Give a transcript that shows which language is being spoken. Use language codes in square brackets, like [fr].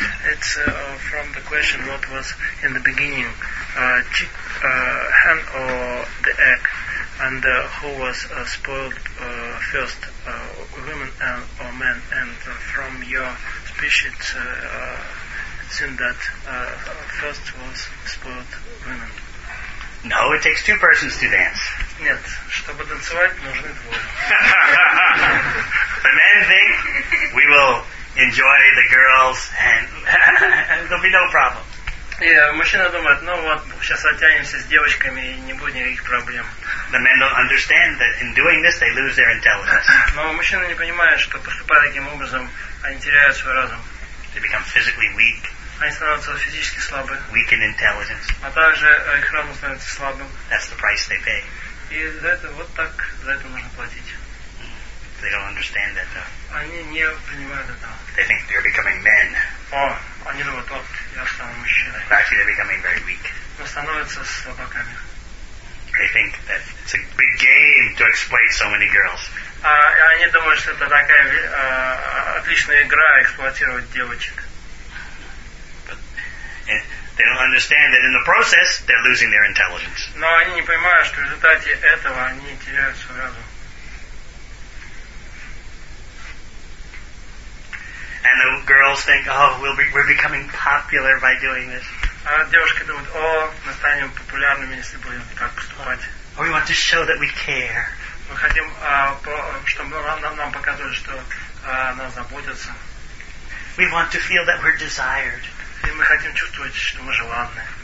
[en] It's from the question what was in the beginning, hen or the egg, and who was spoiled first, women or men, and from your speech it seemed that first was spoiled women. No, it takes two persons to dance. [ru] Нет, чтобы танцевать, нужны двое. [en] The men think we will enjoy the girls and there'll be no problem. [ru] Yeah, мужчина думает, ну вот, сейчас оттянемся с девочками и не будет никаких проблем. [en] The men don't understand that in doing this they lose their intelligence. [ru] Но мужчина не понимает, что поступая таким образом, они теряют свой разум. [en] They become physically weak. [ru] Они становятся физически слабы. [en] Weak in intelligence. [ru] А также их разум становится слабым. [en] That's the price they pay. [ru] И за это вот так, за это нужно платить. [en] They don't understand that, though. [ru] Они не понимают этого. [en] They think they're becoming men. [ru] О, они думают, вот, я стану мужчиной. [en] Actually, they're becoming very weak. [ru] Но становятся слабаками. [en] They think that it's a big game to exploit so many girls. [ru] Они думают, что это такая отличная игра эксплуатировать девочек. [en] They don't understand that in the process they're losing their intelligence. [ru] Но они не понимают, что в результате этого они теряют свой разум. [en] And the girls think, oh, we're becoming popular by doing this. [ru] А девушки думают, о, мы станем популярными, если будем так поступать. [en] We want to show that we care. [ru] Мы хотим, чтобы нам показывали, что нас заботятся. [en] We want to feel that we're desired. [ru] И мы хотим чувствовать, что мы желанны.